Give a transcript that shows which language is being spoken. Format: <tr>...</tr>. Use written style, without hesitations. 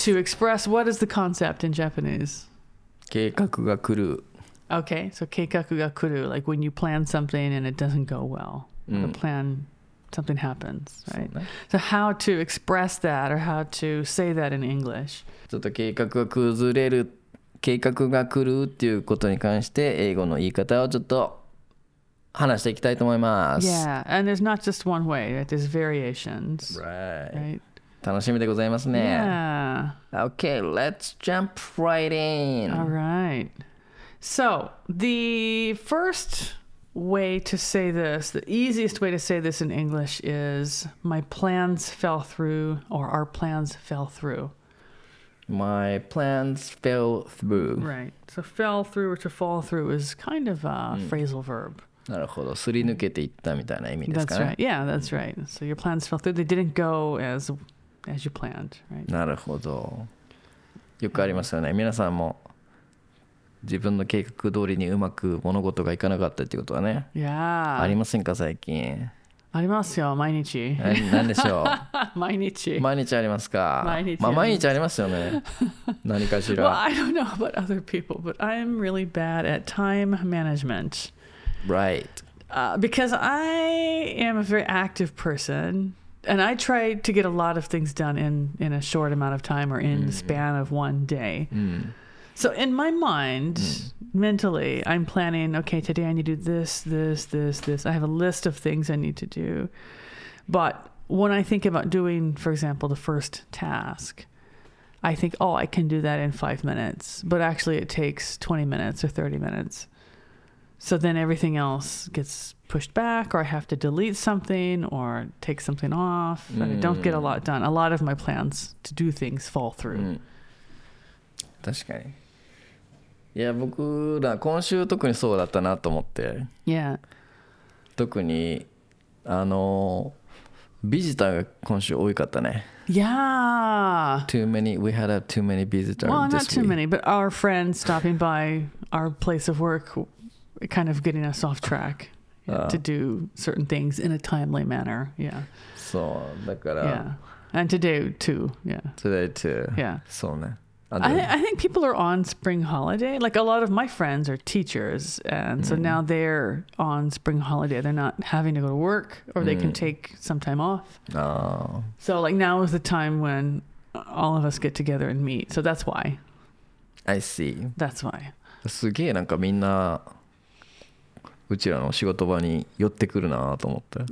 <en>To express what is the concept in Japanese?</en> <ja>計画が来る。</ja> <en>Okay, so</en> <ja>計画が来る,</ja> <en>like when you plan something and it doesn't go well. Mm. The plan, something happens, right? So how to express that or how to say that in English?</en> <ja>ちょっと計画が崩れる、計画が来るっていうことに関して英語の言い方をちょっと話していきたいと思います。</ja> <en>Yeah, and there's not just one way, there's variations. Right.</en> <ja>楽しみでございますね。</ja> <en>Yeah. Okay, let's jump right in. All right. So, the first way to say this, the easiest way to say this in English is my plans fell through or our plans fell through. My plans fell through. Right. So, fell through or to fall through is kind of a phrasal verb.</en> <ja>なるほど。すり抜けていったみたいな意味ですかね。</ja> <en>That's right. Yeah, that's right. So, your plans fell through. They didn't go as you planned, right?</en> <ja>なるほど。よくありますよね。皆さんも。自分の計画通りにうまく物事がいかなかったっていうことはね、</ja> <en>yeah.</en> <ja>ありませんか最近。ありますよ毎日。何でしょう。毎日。毎日ありますか。毎日。まあ、毎日ありますよね。何かしら。</ja> <en>Well, I don't know about other people, but I'm really bad at time management. Right. Because I am a very active person, and I try to get a lot of things done in a short amount of time or in the span of one day. So in my mind, mentally, I'm planning, okay, today I need to do this, this, this, this. I have a list of things I need to do. But when I think about doing, for example, the first task, I think, oh, I can do that in 5 minutes. But actually it takes 20 minutes or 30 minutes. So then everything else gets pushed back or I have to delete something or take something off. And I don't get a lot done. A lot of my plans to do things fall through.</en> <ja>確かに。いや僕ら今週特にそうだったなと思って、</ja> <en>yeah.</en> <ja>特にビジターが今週多かったね。</ja> <en>Yeah. Too many. We had too many visitors. Well, not this too week. Many, but our friends stopping by our place of work, kind of getting us off track to do certain things in a timely manner. Yeah.</en> <ja>そうだから。</ja> <en>Yeah. And today too. Yeah. Today too. Yeah.</en> <ja>そうね。</ja> <en>I think people are on spring holiday. Like a lot of my friends are teachers, and so now they're on spring holiday. They're not having to go to work, or they can take some time off. Oh. So like now is the time when all of us get together and meet. So that's why. I see. That's why.</en> <ja>すげえなんかみんなうちらの仕事場に寄ってくるなと思って。</ja>